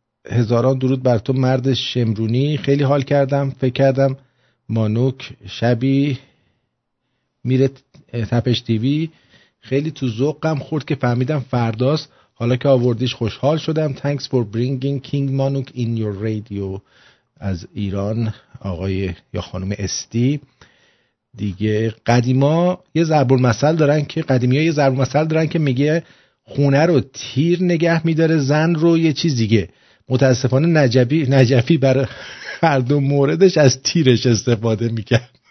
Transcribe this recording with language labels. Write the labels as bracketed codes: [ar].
[fa] هزاران درود بر تو مرد شمرونی. خیلی حال کردم، فکر کردم مانوک شبی میره تپش تیوی. خیلی تو ذوقم خورد که فهمیدم فرداست. حالا که آوردیش خوشحال شدم. [en] Thanks for bringing King Manuk in your radio. [fa] از ایران آقای یا خانم استی. دیگه قدیما یه ضرب المثل دارن که میگه خونه رو تیر نگه میداره، زن رو یه چیز دیگه. متاسفانه نجفی برای هر دو موردش از تیرش استفاده میکرد.